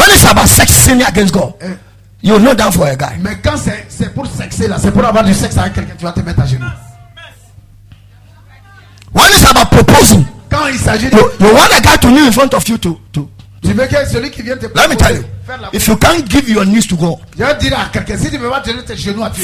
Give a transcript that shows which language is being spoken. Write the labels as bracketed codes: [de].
[en] When it's about sex sinning against God, you knelt down for a guy. [fr] Mais quand c'est pour sexer là, c'est pour avoir du sexe avec quelqu'un, tu vas te mettre à genoux. [en] When it's about proposing, [fr] quand il s'agit [en] you want a guy to kneel in front of you to. [fr] Tu veux que celui qui vient te proposer, [en] let me tell you, if you can't give your knees to God, [fr] je vais dire à quelqu'un, si tu veux pas donner tes genoux à Dieu,